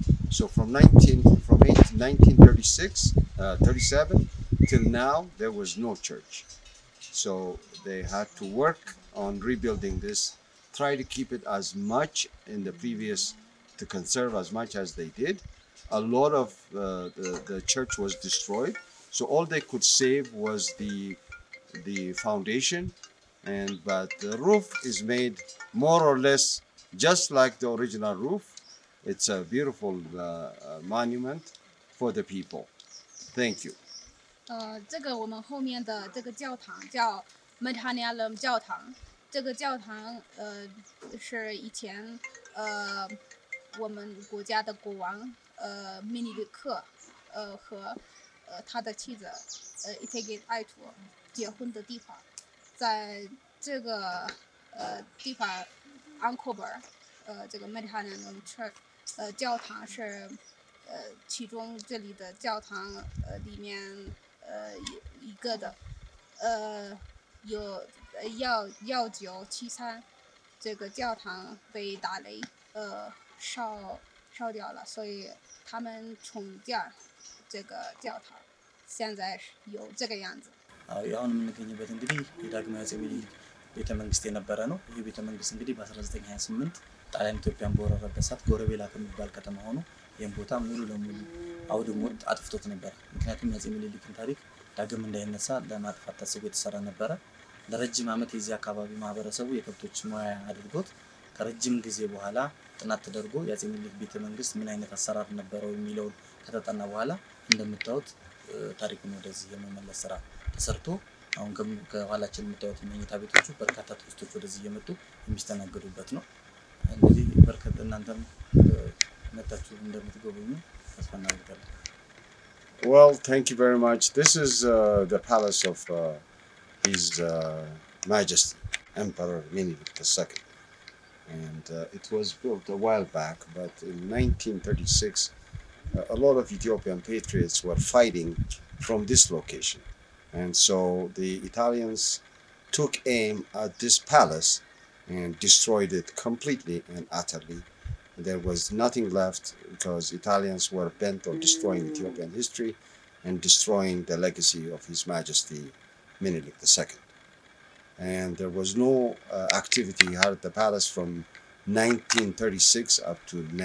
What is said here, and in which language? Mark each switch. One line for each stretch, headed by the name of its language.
English: so from 1936 37 till now there was no church so they had to work on rebuilding this try to keep it as much in the previous to conserve as much as they did a lot of the church was destroyed so all they could save was the foundation and but the roof is made more or less just like the original roof it's a beautiful monument for the people thank you
Chinese: 这个我们后面的这个教堂叫 Madanihalam 教堂这个教堂是以前我们国家的国王米尼利克和他的妻子伊特给艾图 结婚的地方在这个地方安科伯这个麦特汉南的教堂是其中这里的教堂里面一个的有1973这个教堂被打雷烧掉了所以他们重建这个教堂现在有这个样子
Amharic: አያውንም እንደገኝበት እንግዲህ የዳግማዊ አጼ ቤተመንግስት የነበረ ነው ይሄ ቤተመንግስት እንግዲህ በ1928 ጣሊያን ኢትዮጵያን በወረረበት ሰዓት ጎረቤላ ከመባል ከተማ ሆኖ ይሄን ቦታ ሙሉ ለሙሉ አውድሞ አጥፍቶት ነበር ምክንያቱም አጼ ምኒልክን ታሪክ ዳግም እንዳይነሳ ለማጥፋት ተስቦ የተሰራ ነበር ለረጅም አመት የዚህ አካባቢ ማህበረሰቡ የከብቶች ማያ አድርጎት ከረጅም ጊዜ በኋላ ጥናት ተደርጎ የአጼ ምኒልክ ቤተመንግስት ምን አይነት አሰራር ነበረው የሚለውን ከተጠና በኋላ እንደምታውቁት ታሪኩን ወደዚህ የመመለስ ስራ ሰርቶ አሁን ከኋላችን የምታዩት መኝታ ቤቶቹ በርካታ ቱሪስቶች ወደዚህ እየመጡ የሚስተናገዱበት ነው እንግዲህ በርካታ እናንተም መጣችሁ እንደምትገቡኝ ተስፋ እናደርጋለን
English: Well thank you very much this is the palace of his majesty emperor Minilik II and it was built a while back but in 1936 a lot of Ethiopian patriots were fighting from this location and so the Italians took aim at this palace and destroyed it completely and utterly there was nothing left because Italians were bent on destroying Ethiopian history and destroying the legacy of His Majesty Minilik II and there was no activity here at the palace from 1936 up to